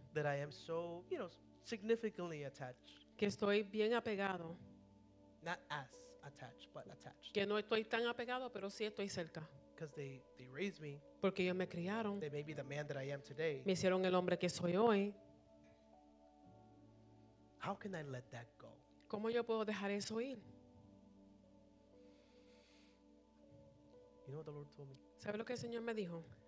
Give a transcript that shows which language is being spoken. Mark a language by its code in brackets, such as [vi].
[en] That I am so, you know, significantly attached. [es] Que estoy bien apegado. [en] Not as attached, but attached. [es] Que no estoy tan apegado, pero sí estoy cerca. [en] Because they raised me. [es] Porque ellos me criaron. [en] They made me the man that I am today. [es] Me hicieron el hombre que soy hoy. [en] How can I let that go? [es] ¿Cómo yo puedo dejar eso ir? [en] You know what the Lord told me? [es] ¿Sabe lo que el Señor me dijo?